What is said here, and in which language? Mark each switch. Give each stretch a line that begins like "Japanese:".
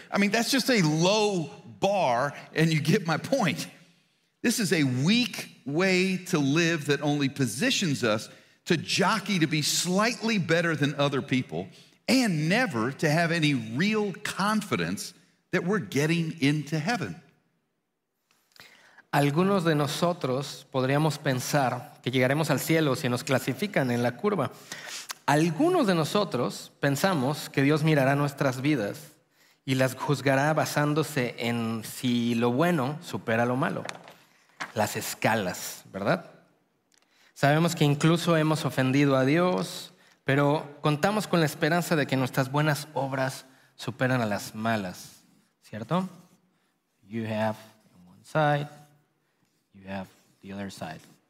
English: I mean, that's just a low bar, and you get my point. This is a weak way to live that only positions us to jockey to be slightly better than other people and never to have any real confidence that we're getting into heaven.
Spanish: Algunos de nosotros podríamos pensar que llegaremos al cielo si nos clasifican en la curva. Algunos de nosotros pensamos que Dios mirará nuestras vidas y las juzgará basándose en si lo bueno supera lo malo. Las escalas, ¿verdad? Sabemos que incluso hemos ofendido a Dios, pero contamos con la esperanza de que nuestras buenas obras superan a las malas. ¿Cierto?
English: You have on one side, you have the other side.